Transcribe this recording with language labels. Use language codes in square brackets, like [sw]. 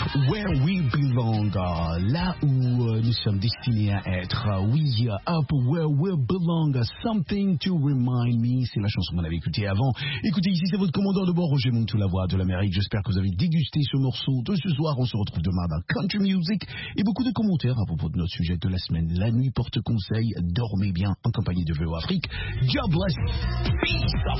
[en] Where we belong, [fr] là où nous sommes destinés à être. [en] We are up where we belong, something to remind me. [fr] C'est la chanson qu'on avait écoutée avant. Écoutez, ici c'est votre commandant de bord, Roger Montou, la voix de l'Amérique. J'espère que vous avez dégusté ce morceau de ce soir. On se retrouve demain dans Country Music. Et beaucoup de commentaires à propos de notre sujet de la semaine. La nuit porte conseil, dormez bien en compagnie de VO Afrique. [en] God bless. Peace.